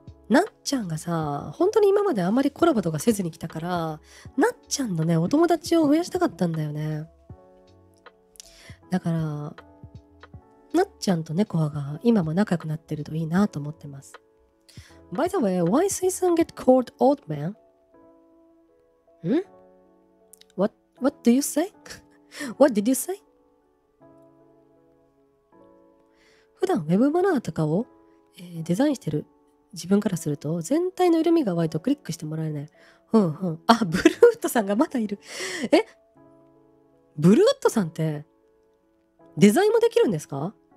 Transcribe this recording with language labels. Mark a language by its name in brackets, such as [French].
[Japanese] なっちゃんがさ、本当に今まであまりコラボとかせずに来たから、なっちゃんのね、お友達を増やしたかったんだよね。だから、なっちゃんと猫が今も仲良くなってるといいなと思ってます。 [English] By the way, why Suisun get called old man? ん? What do you say? What did you say? [Japanese] 普段ウェブマナーとかを、デザインしてる自分からすると全体の緩みが弱いとクリックしてもらえない。ふんふん。あ、ブルーウッドさんがまたいる。え、ブルーウッドさんってデザインもできるんですか？